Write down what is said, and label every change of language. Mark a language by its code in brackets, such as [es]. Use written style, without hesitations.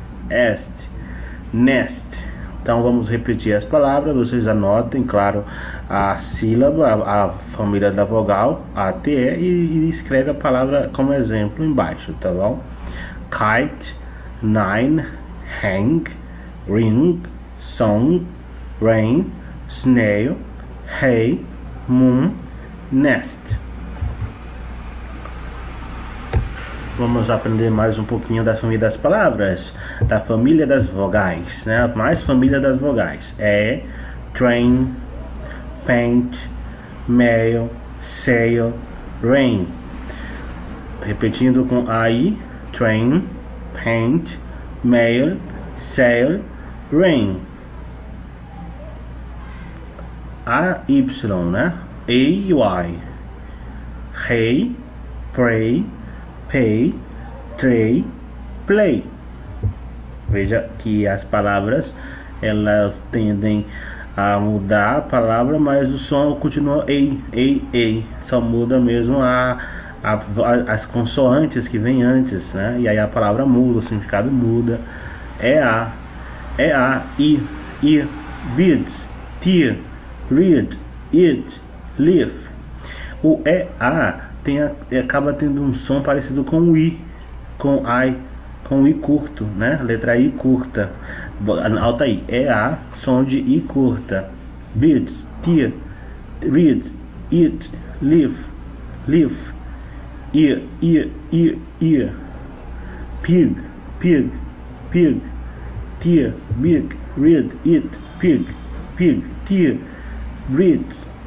[en] Est, nest. [pt] Então vamos repetir as palavras. Vocês anotem, claro, a sílaba, a família da vogal, ATE, e escreve a palavra como exemplo embaixo, tá bom? [en] Kite, nine, hang, ring, song, rain, snail, hay, moon, nest. [pt] Vamos aprender mais um pouquinho da família das palavras, da família das vogais, né? Mais família das vogais. [en] É train, paint, mail, sail, rain. [pt] Repetindo com [en] I, train, paint, mail, sail, rain. A, Y, né? A, U, I. Hey, pray, pay, tray, play. [pt] Veja que as palavras elas tendem a mudar a palavra, mas o som continua ei, ei, ei. Só muda mesmo as consoantes que vêm antes, né? E aí a palavra muda, o significado muda. [en] É a, i, i, beads, tear, read, eat, leaf. [pt] O é a tem acaba tendo um som parecido com o i, com i, com i curto, né? Letra i curta. Anota aí. É a som de i curta. [en] Beads, tear, read, eat, leaf, leaf, ear, ear, ear, ear. Pig, pig, pig, tear, big, read, eat, pig, pig, tear, reads.